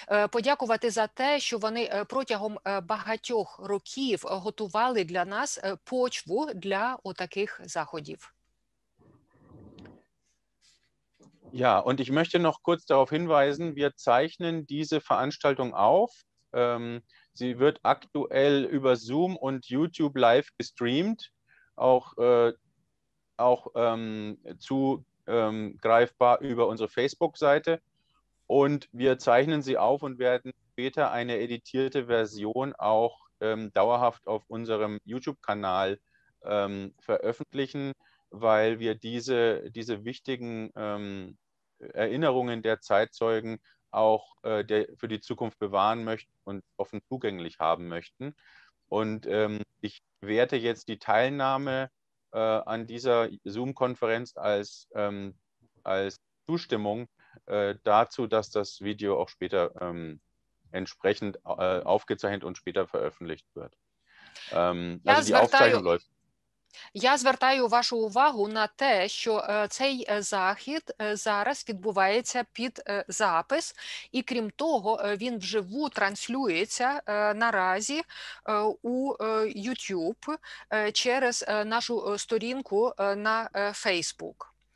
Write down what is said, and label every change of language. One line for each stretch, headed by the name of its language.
Ukrainian: Подякувати за те, що вони протягом багатьох років готували для нас почву для отаких заходів.
German: Ja, und ich möchte noch kurz darauf hinweisen, wir zeichnen diese Veranstaltung auf. Sie wird aktuell über Zoom und YouTube live gestreamt, auch greifbar über unsere Facebook-Seite. Und wir zeichnen sie auf und werden später eine editierte Version auch dauerhaft auf unserem YouTube-Kanal veröffentlichen, weil wir diese wichtigen Erinnerungen der Zeitzeugen auch für die Zukunft bewahren möchten und offen zugänglich haben möchten. Und ich werte jetzt die Teilnahme an dieser Zoom-Konferenz als Zustimmung dazu, dass das Video auch später entsprechend aufgezeichnet und später veröffentlicht wird. Also die Aufzeichnung läuft.
Ukrainian: Я звертаю вашу увагу на те, що цей захід зараз відбувається під запис, і крім того, він вживу транслюється наразі у YouTube через нашу сторінку на Facebook.